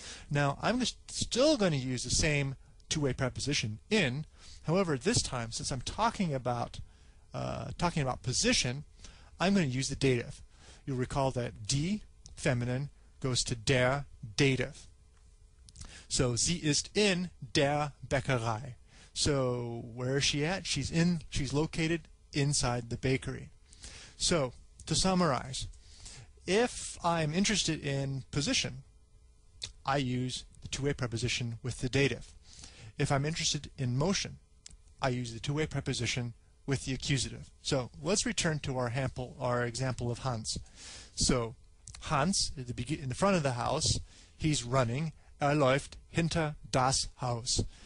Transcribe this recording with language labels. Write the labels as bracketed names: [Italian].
[English] Now, I'm still going to use the same two-way preposition, in. However, this time, since I'm talking about position, I'm going to use the dative. You'll recall that die, feminine, goes to der dative. [German] So, sie ist in der Bäckerei. [English] So, where is she at? She's located inside the bakery. So, to summarize, if I'm interested in position, I use the two-way preposition with the dative. if I'm interested in motion, I use the two-way preposition with the accusative. So let's return to our example of Hans. So Hans, in the front of the house, he's running. [German] Er läuft hinter das Haus.